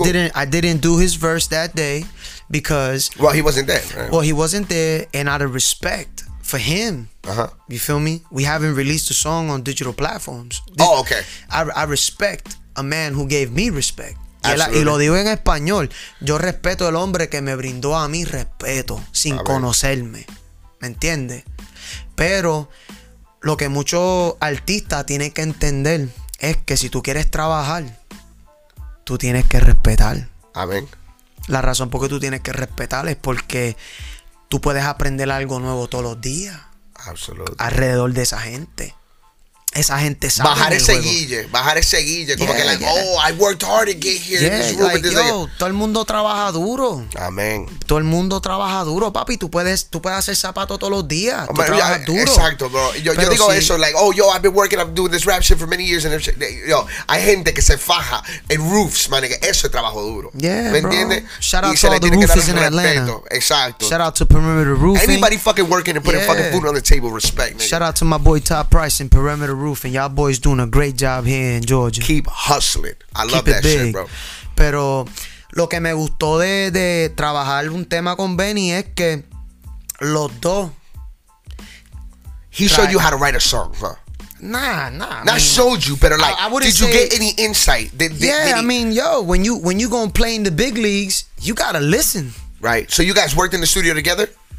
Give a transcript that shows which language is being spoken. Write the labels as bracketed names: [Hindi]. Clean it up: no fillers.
[English] cool. I didn't do his verse that day because... Well, he wasn't there. Right? Well, he wasn't there, and out of respect... For him, you feel me? We haven't released a song on digital platforms. Oh, okay. I respect a man who gave me respect. Absolutely. [Spanish] Y lo digo en español. Yo respeto el hombre que me brindó a mí respeto sin conocerme. ¿Me entiendes? Pero lo que muchos artistas tienen que entender es que si tú quieres trabajar, tú tienes que respetar. Amén. La razón por qué tú tienes que respetar es porque... Tú puedes aprender algo nuevo todos los días. [English] Absolutely. [Spanish] Alrededor de esa gente. Esa gente sabe. Bajar ese juego. Guille. Bajar ese Guille. Como [English] oh, I worked hard to get here. Yeah, this room, like, this [Spanish] yo, todo el mundo trabaja duro. Amén. Todo el mundo trabaja duro, papi. Tú puedes hacer zapatos todos los días. Tú hombre, trabajas yo, duro. Exacto, bro. Yo digo sí. [English] eso, like, oh, yo, I've been working, I'm doing this rap shit for many years. [Spanish] And yo, hay gente que se faja en [English] roofs, man. [Spanish] Eso es trabajo duro. [English] Yeah, [Spanish] ¿me entiendes? [English] Shout out to all the roofies in Atlanta. Exacto. Shout out to Perimeter Roofing. Anybody fucking working and putting fucking food on the table, respect, nigga. Shout out to my boy Top Price in Perimeter Roofing. And y'all boys doing a great job here in Georgia. Keep hustling. I love that big. Shit, bro. [Spanish] Pero lo que me gustó de trabajar un tema con Benny es que los dos. [English] He showed you how to write a song, huh? Nah. Not showed you, but like, did you get any insight? When you going to play in the big leagues, you got to listen. Right. So you guys worked in the studio together?